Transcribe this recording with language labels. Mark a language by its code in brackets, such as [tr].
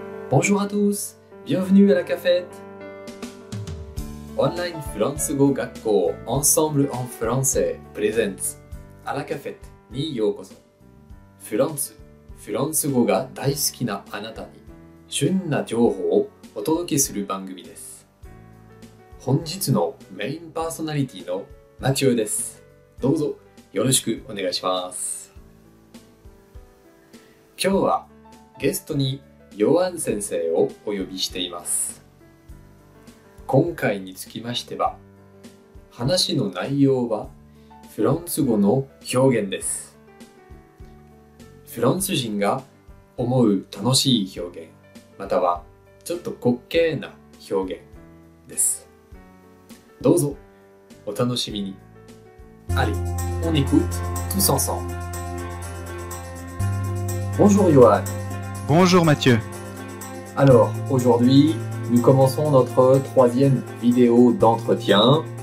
[fr] Bonjour à tous, bienvenue à la cafette. Online France Go Gakko, ensemble en français, présente à la cafette, ni [ja] ようこそ. France, France Go が大好きなあなたに旬な情報をお届けする番組です。本日のメインパーソナリティのマチオです。どうぞよろしくお願いします。今日はゲストにヨアン先生をお呼びしています。今回につきましては、話の内容はフランス語の表現です。フランス人が思う楽しい表現、またはちょっと滑稽な表現です。どうぞお楽しみに。 [fr] Allez, on écoute tous ensemble. Bonjour Johan. Bonjour Mathieu. Alors, aujourd'hui, nous commençons notre troisième vidéo d'entretien.